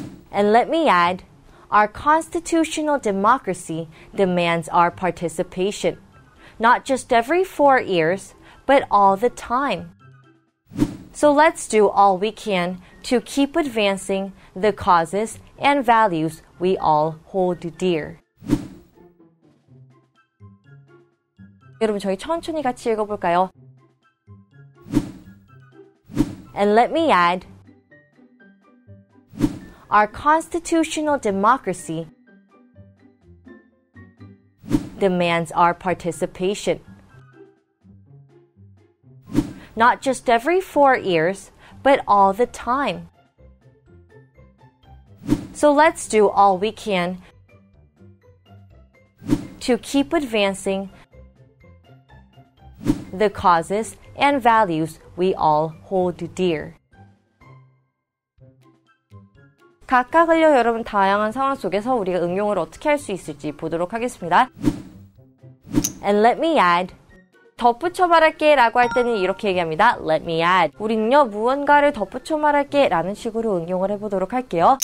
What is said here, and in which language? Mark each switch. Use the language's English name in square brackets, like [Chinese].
[English] And let me add, our constitutional democracy demands our participation, not just every 4 years, but all the time. So let's do all we can to keep advancing the causes and values we all hold dear. [Korean] 여러분, 저희 천천히 같이 읽어볼까요? [English] And let me add, our constitutional democracy demands our participation, not just every 4 years, but all the time. So let's do all we can to keep advancing the causes and values we all hold dear. [Korean] 각각을요, 여러분, 다양한 상황 속에서 우리가 응용을 어떻게 할 수 있을지 보도록 하겠습니다. [English] And let me add, [Korean] 덧붙여 말할게 라고 할 때는 이렇게 얘기합니다. [English] Let me add. [Korean] 우리는요, 무언가를 덧붙여 말할게 라는 식으로 응용을 해보도록 할게요.